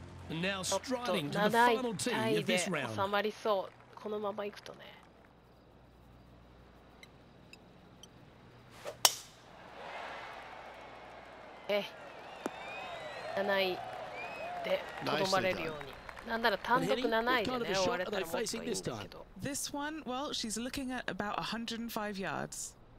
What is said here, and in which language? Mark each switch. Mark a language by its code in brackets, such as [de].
[en] And now striding to the final tee of this round. [ja] 収まりそう、このまま行くとね。位でとどまれるように。なんなら単独7位でね、終われたらもっといいんですけど。 [en] This one, well, she's looking at about 105 yards.